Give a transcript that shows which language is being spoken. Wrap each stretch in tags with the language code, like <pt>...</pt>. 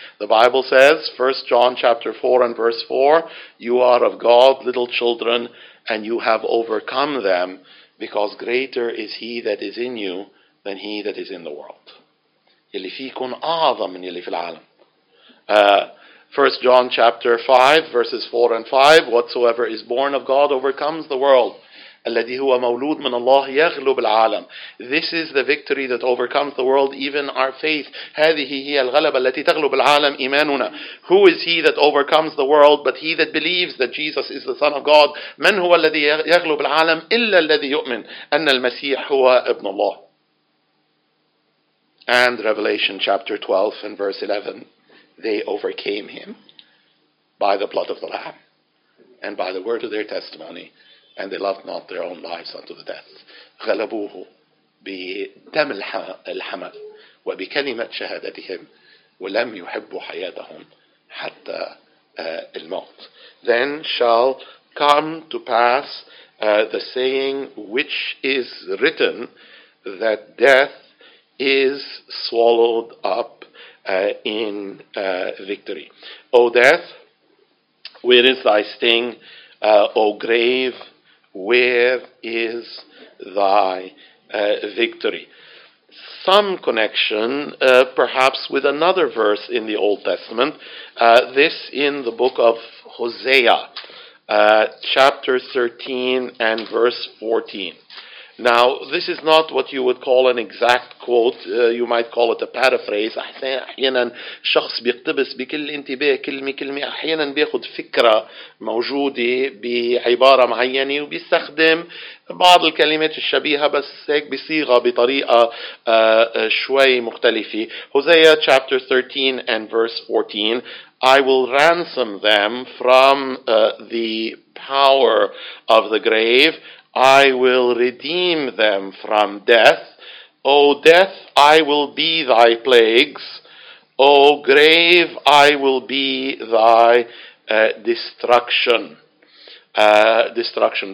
<en>The Bible says, 1 John chapter 4 and verse 4, you are of God, little children, and you have overcome them, because greater is he that is in you than he that is in the world.</en> <ar>يلي فيكون أعظم من يلي في العالم.</ar> <en>First John chapter 5, verses 4 and 5, whatsoever is born of God overcomes the world.</en> <ar>الذي هو مولود من الله يغلب العالم.</ar> <en>This is the victory that overcomes the world, even our faith.</en> <ar>هذه هي الغلبة التي تغلب العالم إيماننا.</ar> <en>Who is he that overcomes the world but he that believes that Jesus is the Son of God?</en> <ar>من هو الذي يغلب العالم إلا الذي يؤمن أن المسيح هو ابن الله.</ar> <en>And Revelation chapter 12 and verse 11. They overcame him by the blood of the Lamb and by the word of their testimony. And they loved not their own lives unto the death.</en> <ar>غلبوه بدم الحمل وبكلمة شهادتهم ولم يحبوا حياتهم حتى الموت.</ar> <en>Then shall come to pass the saying which is written that death is swallowed up in victory. O death, where is thy sting? O grave, where is thy victory? Some connection, perhaps, with another verse in the Old Testament. This in the book of Hosea, chapter 13 and verse 14. Now, this is not what you would call an exact quote. You might call it a paraphrase.</en> <ar>أحيانا شخص بيقتبس بكل انتباه كلمة كلمة. أحيانا بياخد فكرة موجودة بعبارة معينة وبيستخدم بعض الكلمات الشبيهة بس هيك بصيغة بطريقة شوي مختلفة.</ar> <en>Hosea chapter 13 and verse 14. I will ransom them from the power of the grave. I will redeem them from death. O death, I will be thy plagues. O grave, I will be thy destruction. Destruction.</en>